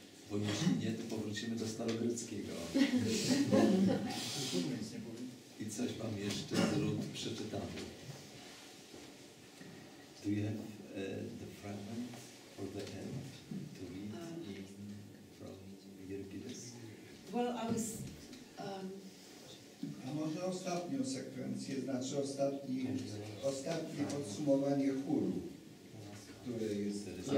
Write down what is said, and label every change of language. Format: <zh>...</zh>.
<pl>Bo jeśli nie, to powrócimy do starogreckiego. I coś wam jeszcze z Rut przeczytamy.</pl> <en>Do you have the fragment or the end to read from Euripides? Well, I was...</en> <pl>A może ostatnią sekwencję, znaczy ostatnie podsumowanie chóru, które jest...</pl>